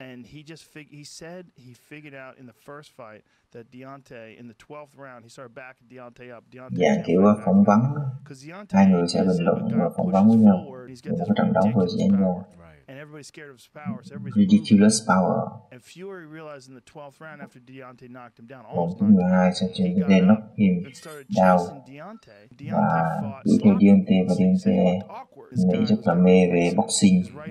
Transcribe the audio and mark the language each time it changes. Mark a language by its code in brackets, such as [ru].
[en] And he said he figured out in the first fight that Deontay, in the 12th round, he started backing Deontay up. [vi] Dạng kiểu phỏng vấn, hai người sẽ bình luận và phỏng vấn với nhau về một trận đấu vừa diễn ra. [en] And everybody's scared of his power, so everybody's ridiculous power. And Fury realized in the 12th round after Deontay knocked him down, almost knocked him down, he got up and started chasing Deontay. Deontay fought slow, he looked awkward. His guy was amazed by boxing.